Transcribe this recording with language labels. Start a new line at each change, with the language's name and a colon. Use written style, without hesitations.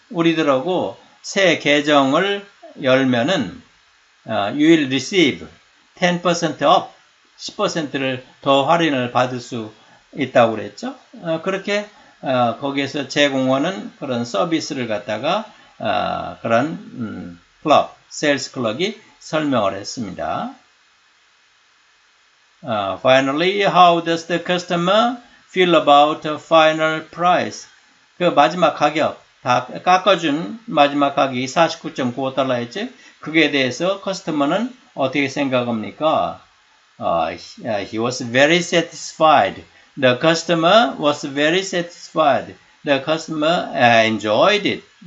Korean: 우리들하고 새 계정을 열면은
English: you will receive 10% off,
Korean: 10%를 더 할인을 받을 수 있다고 그랬죠. 그렇게 거기에서 제공하는 그런 서비스를 갖다가 그런 클럽, 세일스 클럽이 설명을 했습니다.
English: Finally, how does the customer feel about the final price?
Korean: 그 마지막 가격, 다 깎아준 마지막 가격이 49.95달러였지? 그게 대해서 커스터머는 어떻게 생각합니까?
English: He was very satisfied. The customer was very satisfied. The customer enjoyed it.